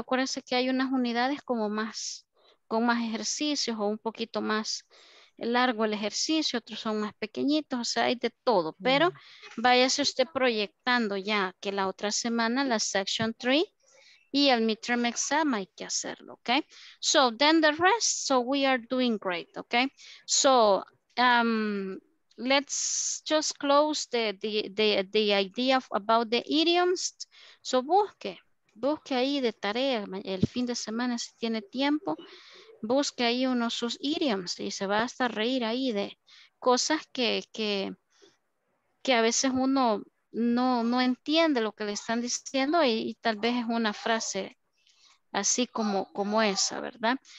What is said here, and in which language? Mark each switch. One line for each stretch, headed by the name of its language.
Spanish: Acuérdense que hay unas unidades como más, con más ejercicios o un poquito más largo el ejercicio, otros son más pequeñitos, o sea, hay de todo, pero váyase usted proyectando ya que la otra semana la Section 3 y el Midterm Exam hay que hacerlo, ok.
English: So then the rest, so we are doing great, ok. So let's just close the idea about the idioms.
Spanish: So busque ahí de tarea el fin de semana si tiene tiempo. busque ahí uno sus idioms y se va hasta a reír ahí de cosas que a veces uno no entiende lo que le están diciendo y tal vez es una frase así como esa, ¿verdad?